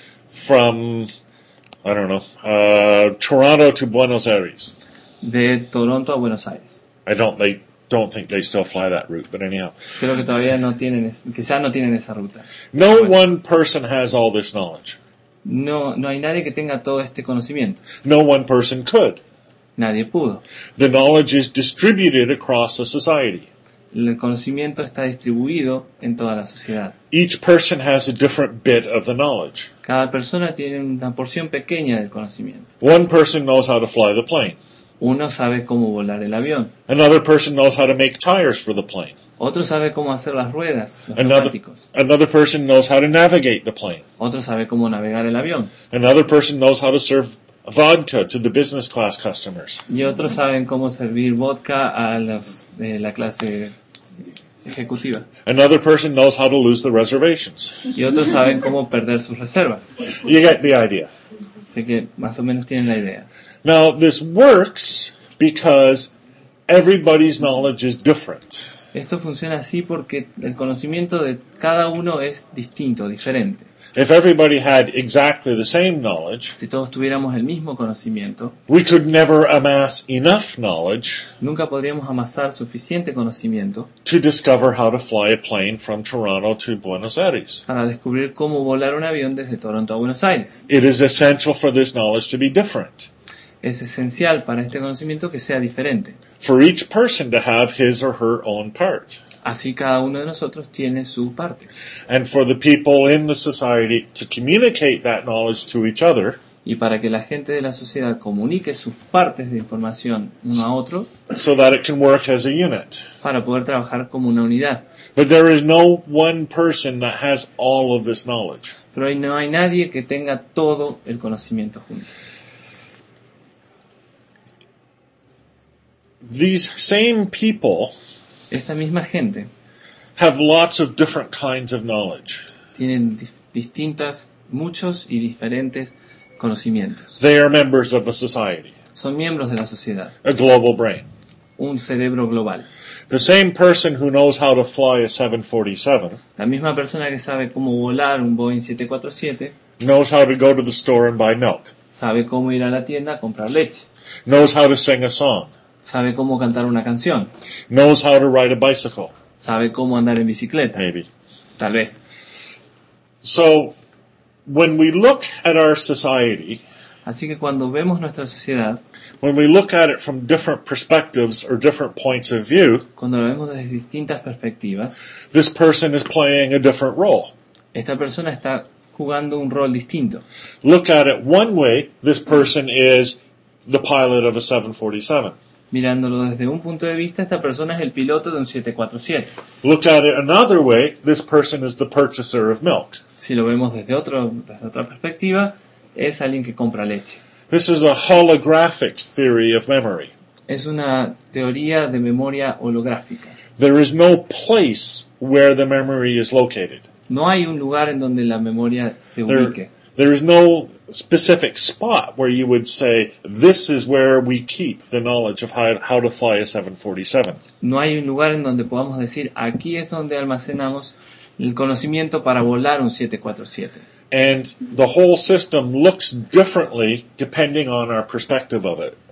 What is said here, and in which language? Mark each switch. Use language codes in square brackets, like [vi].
[en] From, I don't know, Toronto to Buenos Aires. [es] De Toronto a Buenos Aires. [en] I don't think they still fly that route, but anyhow. [es] Creo que todavía no tienen, quizás no tienen esa ruta. [en] No one person has all this knowledge. [es] No hay nadie que tenga todo este conocimiento. [en] No one person could. [es] Nadie pudo. [en] The knowledge is distributed across a society. [es] El conocimiento está distribuido en toda la sociedad. [en] Each person has a different bit of the knowledge. [es] Cada persona tiene una porción pequeña del conocimiento. [en] One person knows how to fly the plane. [es] Uno sabe cómo volar el avión. [en] Another person knows how to make tires for the plane. [es] Otro sabe cómo hacer las ruedas, [en] Another person knows how to navigate the plane. [es] Otro sabe cómo navegar el avión. [en] Another person knows how to serve vodka to the business class customers. [es] Y otros saben cómo servir vodka a la clase ejecutiva. [en] Another person knows how to lose the reservations. [es] Y otros saben cómo perder sus reservas. [en] You get the idea. [es] Así que más o menos tienen la idea. [en] Now, this works because everybody's knowledge is different. [es] Esto funciona así porque el conocimiento de cada uno es distinto, diferente. [en] If everybody had exactly the same knowledge, [es] si todos tuviéramos el mismo conocimiento, [en] we could never amass enough knowledge, [es] nunca podríamos amasar suficiente conocimiento, [en] to discover how to fly a plane from Toronto to Buenos Aires. [es] Para descubrir cómo volar un avión desde Toronto a Buenos Aires. [en] It is essential for this knowledge to be different. [es] Es esencial para este conocimiento que sea diferente. [en] For each person to have his or her own part. [es] Así cada uno de nosotros tiene su parte. [en] And for the people in the society to communicate that knowledge to each other. [es] Y para que la gente de la sociedad comunique sus partes de información uno a otro. [en] So that it can work as a unit. [es] Para poder trabajar como una unidad. [en] But there is no one person that has all of this knowledge. [es] Pero no hay nadie que tenga todo el conocimiento junto. [en] These same people. [es] Esta misma gente [en] have lots of different kinds of knowledge. [es] Tienen distintas, muchos y diferentes conocimientos. [en] They are members of a society. [es] Son miembros de la sociedad. [en] A global brain. [es] Un cerebro global. [en] The same person who knows how to fly a 747. [es] La misma persona que sabe cómo volar un Boeing 747. [en] Knows how to go to the store and buy milk. [es] Sabe cómo ir a la tienda a comprar leche. [en] Knows how to sing a song. [es] Sabe cómo cantar una canción. [en] Knows how to ride a bicycle. [es] Sabe cómo andar en bicicleta. [en] Maybe. [es] Tal vez. [en] So, when we look at our society, [es] así que cuando vemos nuestra sociedad, [en] when we look at it from different perspectives or different points of view, [es] cuando lo vemos desde distintas perspectivas, [en] this person is playing a different role. [es] Esta persona está jugando un rol distinto. [en] Look at it one way, this person is the pilot of a 747. [es] Mirándolo desde un punto de vista, esta persona es el piloto de un 747. [en] Look at it another way, this person is the purchaser of milk. [es] Si lo vemos desde otra perspectiva, es alguien que compra leche. [en] This is a holographic theory of memory. [es] Es una teoría de memoria holográfica. [en] There is no place where the memory is located. [es] No hay un lugar en donde la memoria se ubique. [en] There is no specific spot where you would say, this is where we keep the knowledge of how to fly a 747. [es] No hay un lugar en donde podamos decir, aquí es donde almacenamos el conocimiento para volar un 747. [en] And the whole system looks differently depending on our perspective of it.